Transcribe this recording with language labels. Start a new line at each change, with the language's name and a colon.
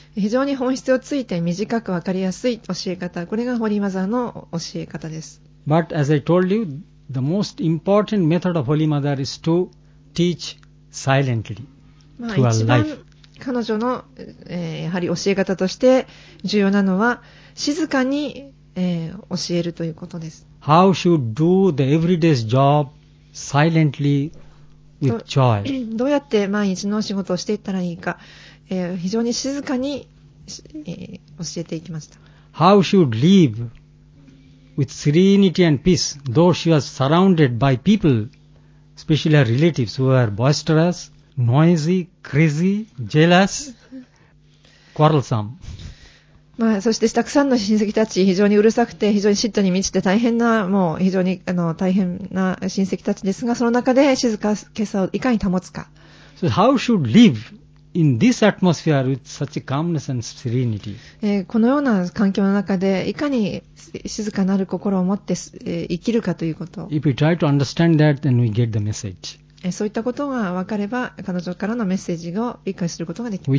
Japanese: 非常に本質をついて短く分かりやすい教え方、これがホーリーマザーの教え方です。
English: But as I told you, the most important method of Holy Mother is to teach silently through our life.
Japanese: 彼女の、やはり教え方として重要なのは静かに、教えるということです。
English: How should do the everyday's job silently with joy?
Japanese: どうやって毎日の仕事をしていったらいいか、非常に静かに、教えていきました。
English: How should live with serenity and peace, though she was surrounded by people, especially her relatives who were boisterous, noisy, crazy, jealous, quarrelsome.
Japanese: まあ、そしてたくさんの親戚たち、非常にうるさくて非常に嫉妬に満ちて大変な、もう非常に大変な親戚たちですが、その中で静かけさをいかに保つか。
English: So how should live in this atmosphere with such calmness and serenity?
Japanese: このような環境の中でいかに静かなる心を持って、生きるかということ。
English: If we try to understand that, then we get the message.
Japanese: そういったことが分かれば彼女からのメッセージを理解することができます。